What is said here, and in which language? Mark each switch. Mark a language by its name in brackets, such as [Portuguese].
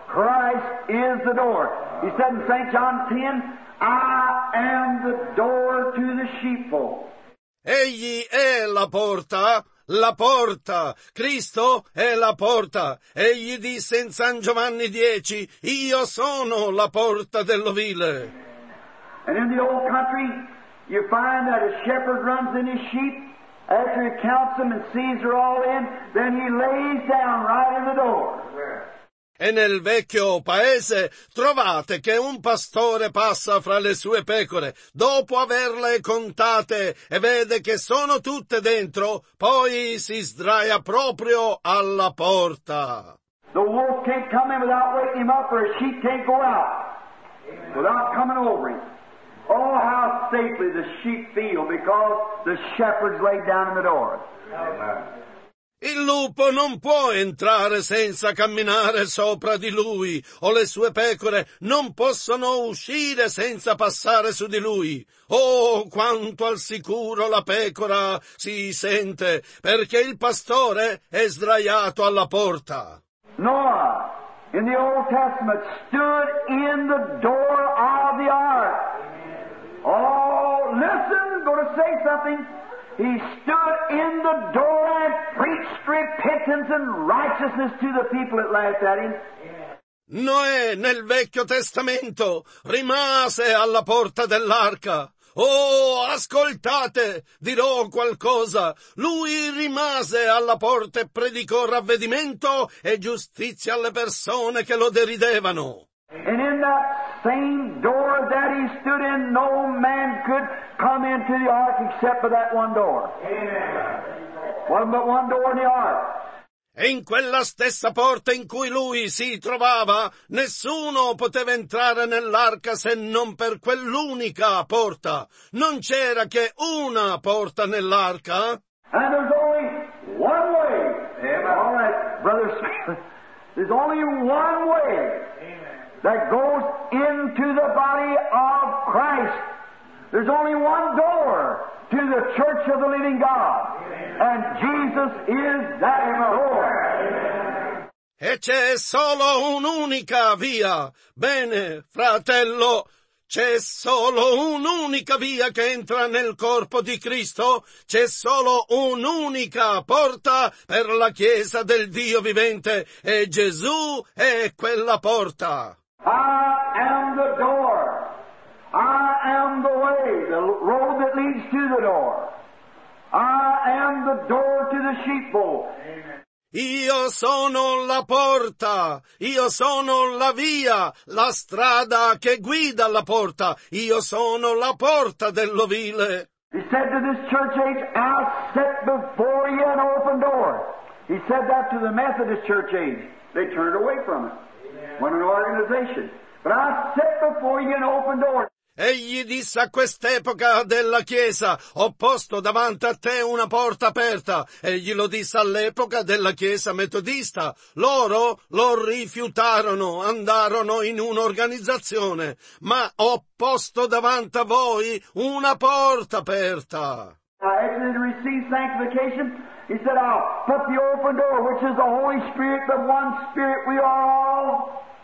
[English] Christ is the door. He said in St. John 10, I am the door to the sheepfold. [Italian] Egli è la porta, la porta. Cristo è la porta. Egli disse in San Giovanni 10, io sono la porta dell'ovile. [English] And in the old country, you find that a shepherd runs in his sheep. After he counts them and sees they're all in, then he lays down right in the door. [Italian] E nel vecchio paese trovate che un pastore passa fra le sue pecore, dopo averle contate e vede che sono tutte dentro, poi si sdraia proprio alla porta. [English] The wolf can't come in without waking him up, or a sheep can't go out without coming over him. Oh, how safely the sheep feel because the shepherd's laid down in the door. Amen. [Italian] Il lupo non può entrare senza camminare sopra di lui, o le sue pecore non possono uscire senza passare su di lui. Oh, quanto al sicuro la pecora si sente, perché il pastore è sdraiato alla porta. [English] Noah, in the Old Testament, stood in the door of the ark. Oh, listen, go to say something. He stood in the door and preached repentance and righteousness to the people that laughed at him. [Italian] Noè, nel Vecchio Testamento, rimase alla porta dell'arca. Oh, ascoltate, dirò qualcosa. Lui rimase alla porta e predicò ravvedimento e giustizia alle persone che lo deridevano. [English] And in that same door that he stood in, no man could come into the ark except for that one door. Amen. One but one door in the ark. [Italian] E in quella stessa porta in cui lui si trovava, nessuno poteva entrare nell'arca se non per quell'unica porta. Non c'era che una porta nell'arca. [English] And there's only one way. Amen. All right, brother Smith. There's only one way. That goes into the body of Christ. There's only one door to the church of the living God. And Jesus is that door. [Italian] E c'è solo un'unica via. Bene, fratello, c'è solo un'unica via che entra nel corpo di Cristo. C'è solo un'unica porta per la Chiesa del Dio vivente. E Gesù è quella porta. [English] I am the door. I am the way, the road that leads to the door. I am the door to the sheepfold. Amen. [Italian] Io sono la porta. Io sono la via, la strada che guida la porta. Io sono la porta dell'ovile. [English] He said to this church age, I set before you an open door. He said that to the Methodist church age. They turned away from it. When an organization. But I set before you an open door. [Italian] Egli disse a quest'epoca della Chiesa, ho posto davanti a te una porta aperta. Egli lo disse all'epoca della Chiesa metodista. Loro lo rifiutarono, andarono in un'organizzazione. Ma ho posto davanti a voi una porta aperta. [English] Exodus received sanctification. He said, I'll put the open door, which is the Holy Spirit, the one Spirit we are all.